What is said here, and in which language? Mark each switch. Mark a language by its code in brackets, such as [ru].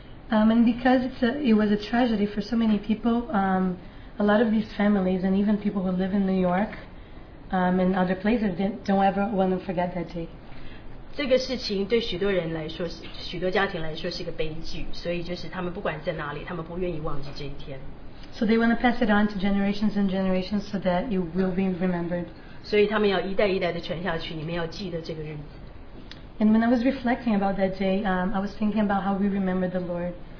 [en] And because it was a tragedy for so many people, a lot of these families and even people who live in New York and other places don't ever want to forget that day. [zh] 这个事情对许多人来说，许多家庭来说是一个悲剧，所以就是他们不管在哪里，他们不愿意忘记这一天。So [en] they want to pass it on to generations and generations so that it will be remembered. [zh] 所以他们要一代一代的传下去，你们要记得这个日子。And [en] when I was reflecting about that day, I was thinking about how we remember the Lord.